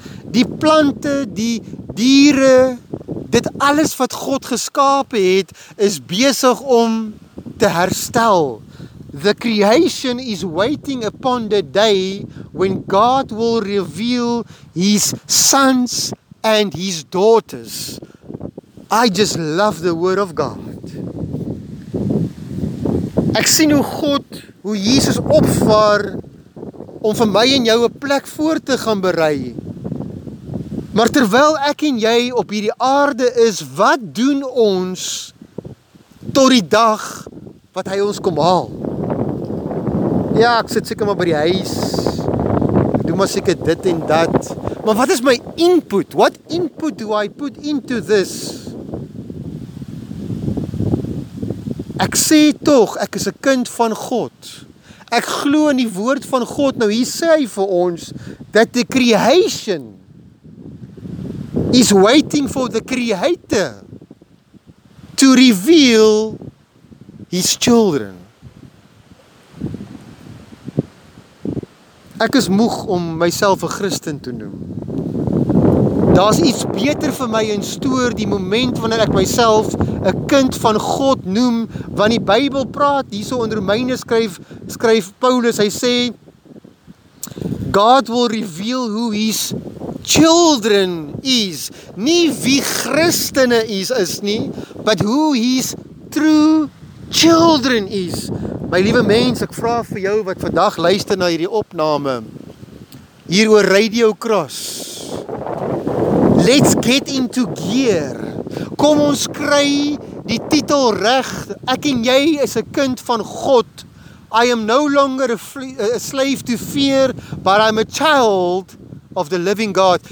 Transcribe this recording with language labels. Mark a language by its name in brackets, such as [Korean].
[Afrikaans] Die plante, die diere, dit alles wat God geskape het, is besig om te herstel. [English] The creation is waiting upon the day when God will reveal his sons and his daughters. I just love the word of God. [Afrikaans] Ek sien hoe God, hoe Jesus opvaar om vir my en jou 'n plek voor te gaan berei. Maar terwyl ek en jy op hierdie aarde is, wat doen ons tot die dag wat hy ons kom haal? Ja, ek sit seker maar by die huis. Ek doen maar seker dit en dat. Maar wat is my input? [English] What input do I put into this? [Afrikaans] Ek sê tog, ek is 'n kind van God. Ek glo in die woord van God. Nou hier sê hy vir ons [English] that the creation is waiting for the creator to reveal his children. [Afrikaans] Ek is moeg om myself 'n Christen te noem. Daar's iets beter vir my in stoor die moment wanneer ek myself 'n kind van God noem, want die Bybel praat hierso in Romeine skryf Paulus, hy sê [English] God will reveal who his children is, [Afrikaans] nie wie Christene is nie, [English] but who his true children is. [Afrikaans] My liewe mens, ek vra vir jou wat vandag luister na hierdie opname hier oor Radio Cross. [English] Let's get into gear. [Afrikaans] Kom ons kry die titel reg. Ek en jy is 'n kind van God. [English] I am no longer a slave to fear, but I'm a child of the living God.